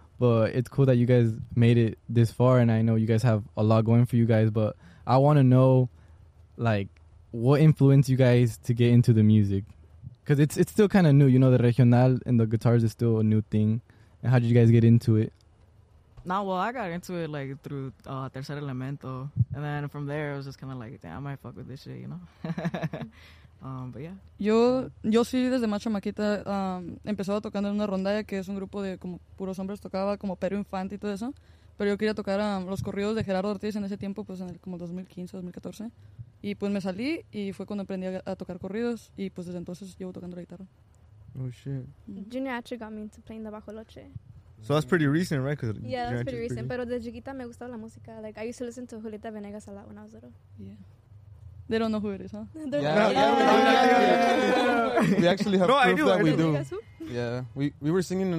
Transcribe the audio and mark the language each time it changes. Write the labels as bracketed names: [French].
[English] But it's cool that you guys made it this far, and I know you guys have a lot going for you guys, but I want to know, like, what influenced you guys to get into the music? Because it's still kind of new, you know, the regional and the guitars is still a new thing. And how did you guys get into it? I got into it, like, through Tercer Elemento, and then from there, it was just kind of like, damn, I might fuck with this shit, you know? but yeah. [Spanish] Yo sí, desde más chamaquita, empezaba tocando en una rondalla, que es un grupo de como puros hombres, tocaba como Pedro Infante y todo eso, pero yo quería tocar los corridos de Gerardo Ortiz en ese tiempo, pues en el como 2015, 2014, y pues me salí, y fue cuando aprendí a tocar corridos, y pues desde entonces llevo tocando la guitarra. [English] Oh, shit. Junior actually got me into playing the bajoloche. So that's pretty recent, right? Yeah, that's pretty recent, [Spanish] pero desde chiquita me gustaba la música, [English] like, I used to listen to Julieta Venegas a lot when I was little. Yeah. They don't know who it is, huh? Yeah. We actually have proof that we do. Yeah, we were singing